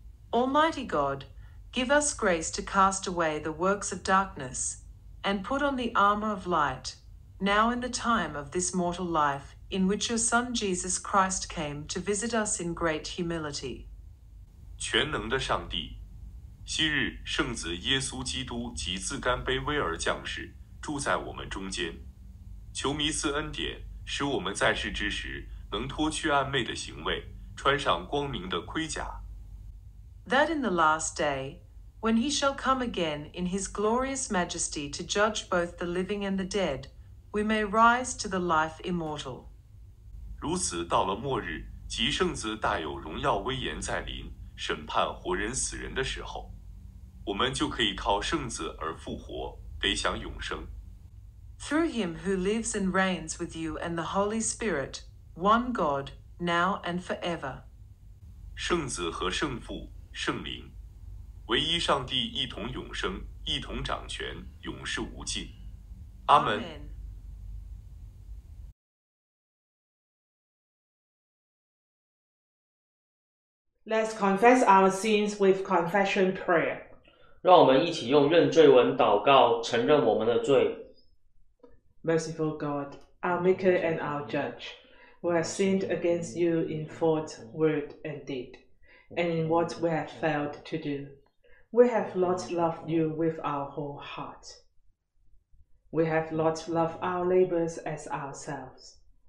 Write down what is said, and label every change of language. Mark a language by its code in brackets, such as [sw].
[en] Almighty God, give us grace to cast away the works of darkness, and put on the armor of light, now in the time of this mortal life, in which your Son Jesus Christ came to visit us in great humility. [zh] 全能的上帝，昔日圣子耶稣基督即自甘卑微而降世，住在我们中间，求弥赐恩典，使我们在世之时能脱去暗昧的行为，穿上光明的盔甲。 [en] That in the last day, when he shall come again in his glorious majesty to judge both the living and the dead, we may rise to the life immortal. [zh] 如此到了末日，即圣子大有荣耀威严在临，审判活人死人的时候，我们就可以靠圣子而复活，得享永生。 [en] Through him who lives and reigns with you and the Holy Spirit, one God, now and forever. [zh] 圣子和圣父、圣灵，唯一上帝一同永生，一同掌权，永世无尽。阿门。 [en] Let's confess our sins with confession prayer. [zh] 让我们一起用认罪文祷告，承认我们的罪。 [en] Merciful God, our Maker and our Judge, we have sinned against you in thought, word, and deed, and in what we have failed to do. We have not loved you with our whole heart. We have not loved our neighbors as ourselves.